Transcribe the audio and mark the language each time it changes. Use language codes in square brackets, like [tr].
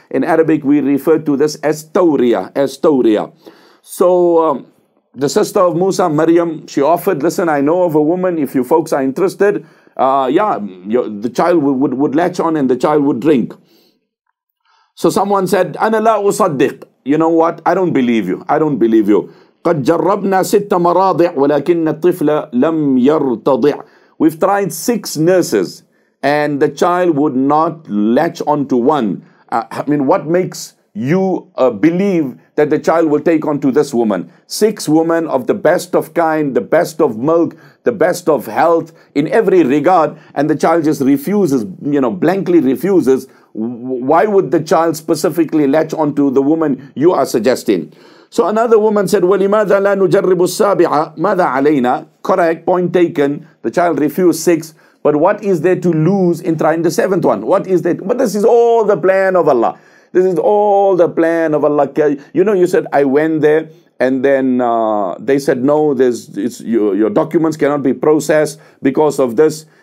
[en] In Arabic, we refer to this as Tawriya. So the sister of Musa, Maryam, she offered, listen, I know of a woman, if you folks are interested, the child would latch on and the child would drink. So someone said, [ar] أنا لا أصدق. [en] You know what? I don't believe you. [ar] قد جربنا ست مراضع ولكن الطفل لم يرتضع. [en] We've tried 6 nurses and the child would not latch onto one. What makes you believe that the child will take onto this woman? 6 women of the best of kind, the best of milk, the best of health in every regard, and the child just refuses, blankly refuses. Why would the child specifically latch onto the woman you are suggesting? So another woman said, [ar] وَلِمَاذَا لَا نُجَرِّبُ السَّابِعَ مَاذَا عَلَيْنَا. [en] Correct, point taken. The child refused 6. But what is there to lose in trying the 7th one? What is there? But this is all the plan of Allah. This is all the plan of Allah. You know, you said, I went there. And then they said, no, your documents cannot be processed because of this.